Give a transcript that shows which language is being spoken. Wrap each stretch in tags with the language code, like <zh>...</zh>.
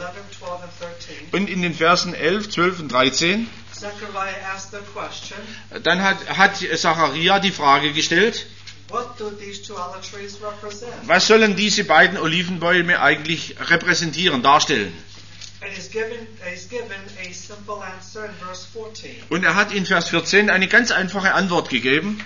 <en>Verse 11, 12 and 13.</en> <de>Und in den Versen 11, 12 und 13,</de> <en>Zechariah asked the question,</en> <de>dann hat Zachariah die Frage gestellt,</de> <en>what do these two olive trees represent?</en> <de>Was sollen diese beiden Olivenbäume eigentlich repräsentieren, darstellen?</de> <en>And he's given a simple answer in verse 14.</en> <de>Und er hat in Vers 14 eine ganz einfache Antwort gegeben.</de>